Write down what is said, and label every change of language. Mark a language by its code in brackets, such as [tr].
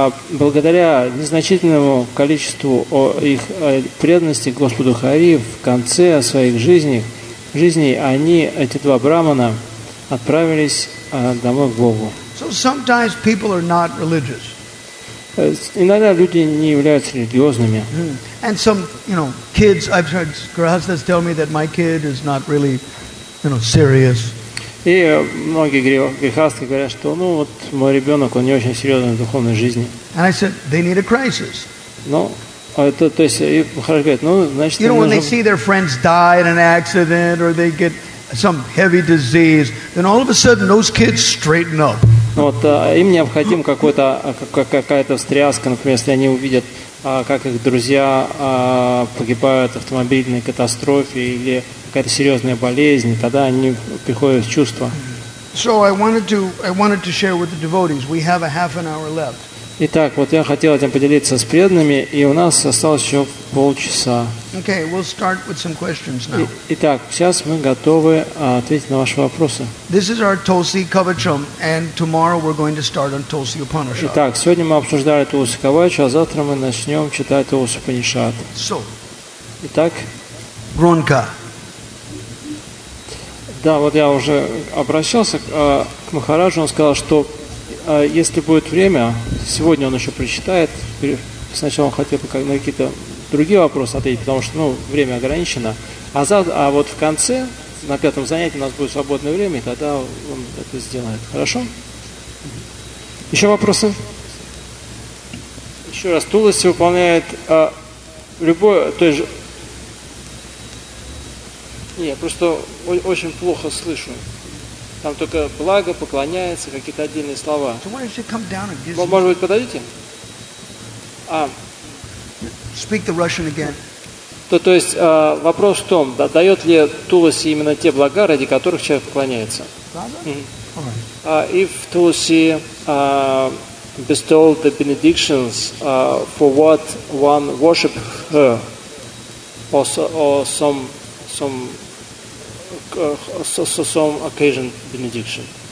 [ru] Благодаря незначительному количеству их преданности к Господу Хари в конце своих жизней, они, эти два Брамана, отправились домой к Богу. [en] So sometimes people are not religious. [ru] Иногда люди не являются религиозными. [en] And some, you know, kids, I've heard grihasthas tell me that my kid is not really, you know, serious. [ru] И многие грехасты говорят, что, ну, вот мой ребенок, он не очень серьезный в духовной жизни. [en] And I said, they need a crisis. [ru] Ну, это, то есть, и хорошо говорят, ну, значит, [en] you know, when they see their friends die in an accident or they get some heavy disease, then all of a sudden those kids straighten up. [ru] Ну, вот им необходим какая-то встряска, например, если они увидят, как их друзья погибают в автомобильной катастрофе или какая-то серьезная болезнь, тогда они приходят в чувство. [en] So I wanted to share with the devotees. We have a half an hour left. [ru] Итак, вот я хотел этим поделиться с преданными, и у нас осталось еще полчаса. [en] Okay, we'll start with some questions now. [ru] Итак, сейчас мы готовы ответить на ваши вопросы. [en] This is our Tulsi Kavacham, and tomorrow we're going to start on Tulsi Upanishad. [ru] Итак, сегодня мы обсуждали Тулси Кавачу, а завтра мы начнем читать Тулси Упанишад. [en] So. [ru] Итак. Гронка. Да, вот я уже обращался к Махараджу, он сказал, что если будет время, сегодня он еще прочитает. Сначала он хотел бы на какие-то другие вопросы ответить, потому что, ну, время ограничено. А вот в конце, на пятом занятии, у нас будет свободное время, и тогда он это сделает. Хорошо? Еще вопросы? Еще раз. Туласи выполняет любое... То есть... Нет, просто очень плохо слышу. Там только благо, поклоняется, какие-то отдельные слова. Может быть, подойдите? [en] Speak the Russian again. [ru] То есть вопрос в том, дает ли Туласи именно те блага, ради которых человек поклоняется? [en] If Tulsi bestowed the benedictions for what one worship her, or some occasion benediction.